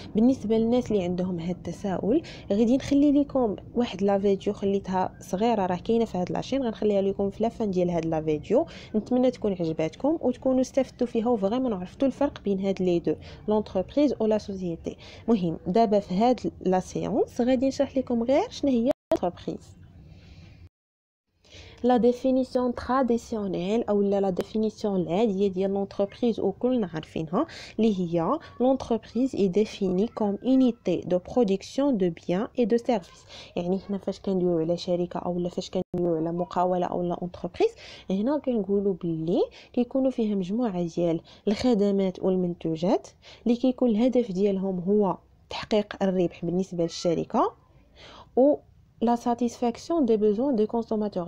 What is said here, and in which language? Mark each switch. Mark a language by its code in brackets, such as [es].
[ar] بالنسبه للناس اللي عندهم هاد التساؤل غادي نخلي لكم واحد لا فيديو خليتها صغيره راه كاينه في هاد لاشين، غنخليها لكم في لافان ديال هاد لا فيديو. نتمنى تكون عجباتكم وتكونوا استفدتوا فيها وفريمون عرفتوا الفرق بين هاد لي دو لونتربريز او لا سوسيتي. مهم دابا في هاد لا سيونس غادي نشرح لكم غير شنو هي لونتربريز. [fr] la définition traditionnelle ou la définition laïque de l'entreprise ou que nous connaissons, l'entreprise est définie comme unité de production de biens et de services. [ar] يعني هنا فاش كنديرو على شركة أو لا فاش كنديرو على مقاولة أو لا أونتربريز، هنا كنقولو بلي كيكونو فيها مجموعة ديال الخدمات والمنتوجات اللي كيكون الهدف ديالهم هو تحقيق الربح بالنسبة للشركة و [fr] la satisfaction des besoins des consommateurs.